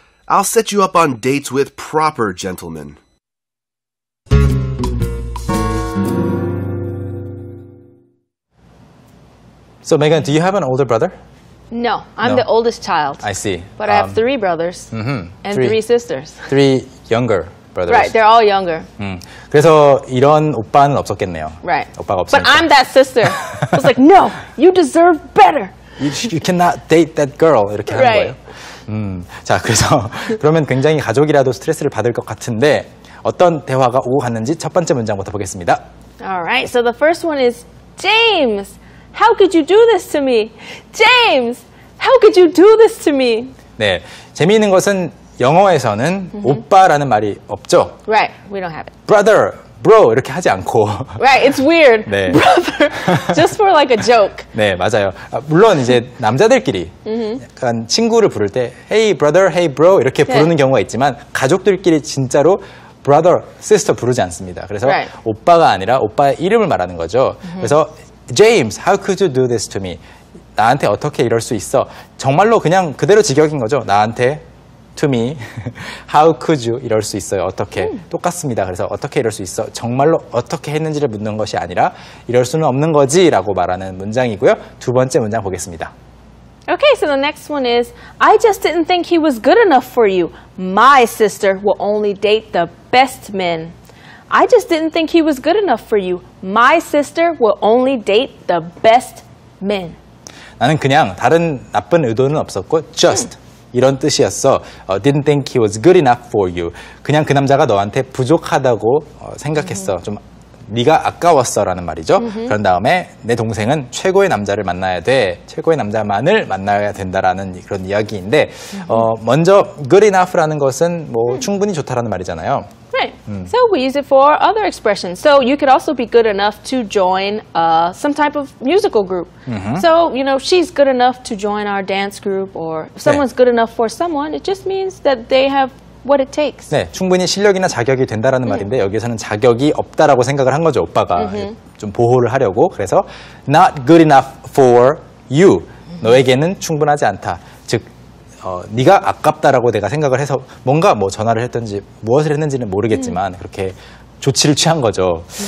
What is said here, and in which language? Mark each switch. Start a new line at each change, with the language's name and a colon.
English: I'll set you up on dates with proper gentlemen. So, Megan, do you have an older brother? No, I'm the oldest child. I see. But I have three brothers and three sisters. Three younger brothers. Right, they're all younger.
Korean: 그래서 이런 오빠는 없었겠네요.
English: Right.
Korean: 오빠가 없으니까.
English: But I'm that sister. I was like, no, you deserve better. You cannot date that girl.
Korean: 이렇게 하는
English: right.
Korean: 거예요. 자, 그래서 그러면 굉장히 가족이라도 스트레스를 받을 것 같은데 어떤 대화가 오고 갔는지 첫 번째 문장부터 보겠습니다.
English: All right, so the first one is James. How could you do this to me? James, how could you do this to me?
Korean: 네, 재미있는 것은 영어에서는 오빠라는 말이 없죠.
English: Right, we don't have it. Brother, bro
Korean: 이렇게 하지 않고
English: Right, it's weird.
Korean: 네.
English: Brother, just for like a joke.
Korean: 네, 맞아요. 물론 이제 남자들끼리 약간 친구를 부를 때
English: Hey brother, hey bro
Korean: 이렇게 부르는 yeah. 경우가 있지만 가족들끼리 진짜로
English: brother, sister
Korean: 부르지 않습니다. 그래서 right. 오빠가 아니라 오빠의 이름을 말하는 거죠.
English: Mm-hmm.
Korean: 그래서
English: James, how could you do this to me?
Korean: 나한테 어떻게 이럴 수 있어? 정말로 그냥 그대로 직역인 거죠. 나한테
English: to me, how could you
Korean: 이럴 수 있어요? 어떻게? 똑같습니다. 그래서 어떻게 이럴 수 있어? 정말로 어떻게 했는지를 묻는 것이 아니라 이럴 수는 없는 거지 라고 말하는 문장이고요. 두 번째 문장 보겠습니다.
English: Okay, so the next one is I just didn't think he was good enough for you. My sister will only date the best men. I just didn't think he was good enough for you. My sister will only date the best men.
Korean: 나는 그냥 다른 나쁜 의도는 없었고 just 이런 뜻이었어.
English: Didn't think he was good enough for you.
Korean: 그냥 그 남자가 너한테 부족하다고 생각했어. 좀 네가 아까웠어라는 말이죠. 그런 다음에 내 동생은 최고의 남자를 만나야 돼. 최고의 남자만을 만나야 된다라는 그런 이야기인데 먼저
English: good enough
Korean: 라는 것은 뭐 충분히 좋다라는 말이잖아요.
English: So we use it for other expressions. So you could also be good enough to join some type of musical group. Mm-hmm. So, you know, she's good enough to join our dance group or someone's
Korean: 네.
English: good enough for someone. It just means that they have what it takes.
Korean: 네, 충분히 실력이나 자격이 된다라는 말인데 여기서는 자격이 없다라고 생각을 한 거죠. 오빠가 좀 보호를 하려고. 그래서
English: not good enough for you.
Korean: 너에게는 충분하지 않다. 네가 아깝다라고 내가 생각을 해서 뭔가 뭐 전화를 했든지 무엇을 했는지는 모르겠지만 그렇게 조치를 취한 거죠.